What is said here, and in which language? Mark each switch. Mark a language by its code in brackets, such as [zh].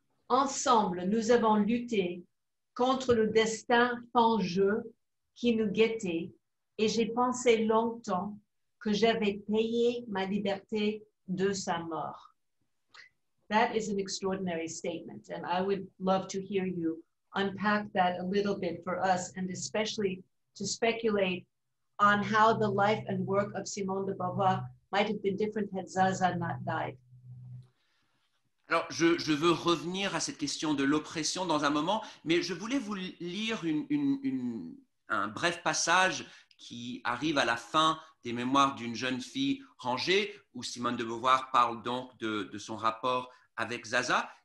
[fr] Ensemble, nous avons lutté contre le destin fangeux qui nous guettait, et j'ai pensé longtemps que j'avais payé ma liberté de sa mort. [en] That is an extraordinary statement, and I would love to hear you unpack that a little bit for us, and especially to speculate on how the life and work of Simone de Beauvoir might have been different had Zaza not died. [fr] Alors, je veux revenir à cette question de l'oppression dans un moment, mais je voulais vous lire un bref passage qui arrive à la fin des mémoires d'une jeune fille rangée, où Simone de Beauvoir parle donc de son rapport avec Zaza.